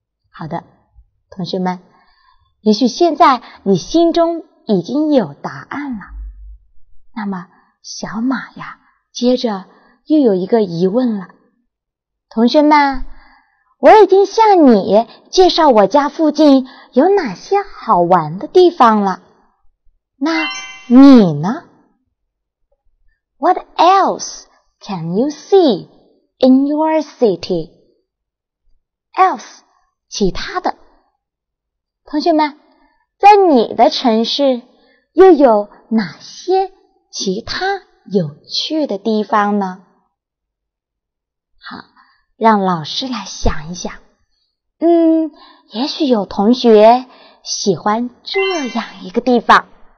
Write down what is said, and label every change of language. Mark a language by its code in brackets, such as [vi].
[zh] 好的，同学们，也许现在你心中已经有答案了，那么小马呀接着又有一个疑问了。同学们，我已经向你介绍我家附近有哪些好玩的地方了，那你呢？ [en] What else can you see in your city? [zh] Else 其他的。同学们，在你的城市又有哪些其他有趣的地方呢？好，让老师来想一想。也许有同学喜欢这样一个地方。